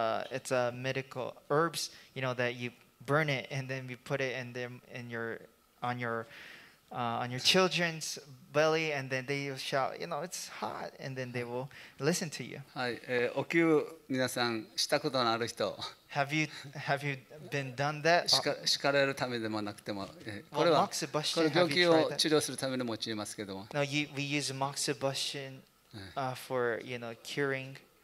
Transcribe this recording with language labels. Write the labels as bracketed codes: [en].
[en] It's a medical herbs, you know, that you burn it and then you put it in them in your on your on your children's belly and then they shout, you know, it's hot, and then they will listen to you. [ja] はい、お灸皆さんしたことのある人。 [en] Have you been done that? [ja] 叱られるためでもなくても、これは、well, これ病気を治療するために用いますけども。 [en] No, we use moxibustion for, you know, curing.